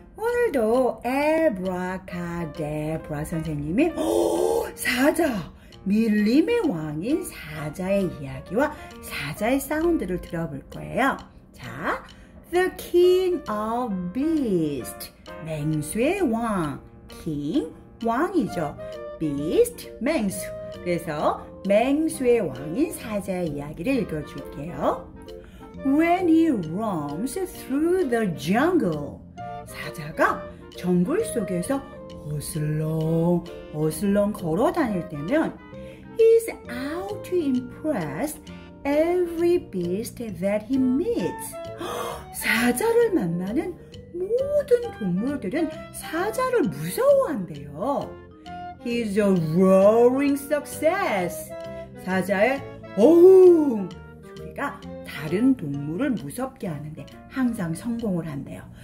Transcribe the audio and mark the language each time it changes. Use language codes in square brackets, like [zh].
[ko] 오늘도 에브라카데브라 선생님이 사자, 밀림의 왕인 사자의 이야기와 사자의 사운드를 들어볼 거예요. 자, [en] The King of Beast, [ko] 맹수의 왕, King, 왕이죠. Beast, 맹수. 그래서 맹수의 왕인 사자의 이야기를 읽어줄게요. [en] When he roams through the jungle, [ko] 사자가 정글 속에서 어슬렁 어슬렁 걸어 다닐 때면 [en] he's out to impress every beast that he meets. [ko] 사자를 만나는 모든 동물들은 사자를 무서워한대요. [en] He's a roaring success. [ko] 사자의 어웅 소리가 다른 동물을 무섭게 하는데 항상 성공을 한대요.